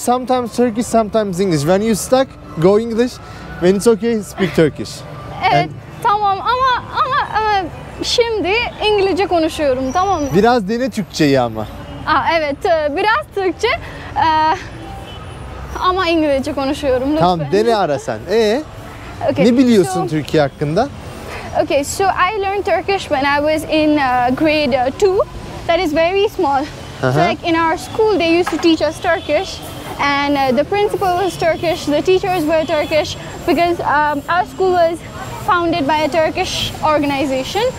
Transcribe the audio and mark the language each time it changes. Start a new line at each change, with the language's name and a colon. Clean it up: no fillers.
English: sometimes Turkish, sometimes English. When you stuck, go English. When it's okay, speak Turkish.
Turkish: Evet, tamam ama şimdi İngilizce konuşuyorum, tamam mı? Biraz dene Türkçeyi ama. Evet, biraz Türkçe ama İngilizce konuşuyorum. Lütfen. Tamam, dene ara sen. Okay, ne biliyorsun Türkiye hakkında?
English: Okay, so I learned Turkish when I was in grade 2. That is very small. So like in our school, they used to teach us Turkish. And the principal was Turkish, the teachers were Turkish. Because our school was founded by a Turkish organization.